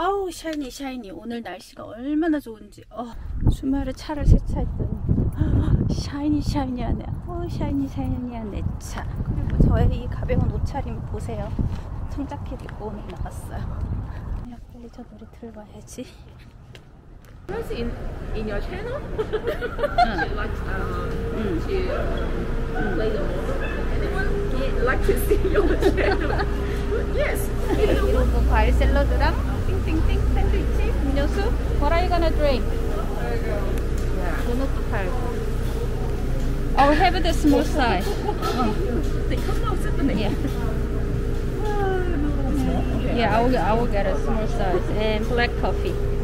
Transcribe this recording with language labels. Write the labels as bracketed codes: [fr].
[ko] 샤이니 샤이니 오늘 날씨가 얼마나 좋은지. 주말에 차를 세차했더니 샤이니 샤이니하네. 샤이니 샤이니하네 차. 그리고 저의 이 가벼운 옷차림 보세요. 청자켓 입고 오늘 나갔어요. 빨리 저 노래 들어봐야지. [en] Who's in your channel? She likes to play the ball. Anyone like to see your channel? Yes. [ko] 이런 거 과일 샐러드랑 띵띵띵 샌드위치 음료수. [en] What are you gonna drink? Yeah. [ko] 도넛도 팔고. [en] I'll have the small size. They come out separately. Yeah. Yeah, I will get a small size and black coffee.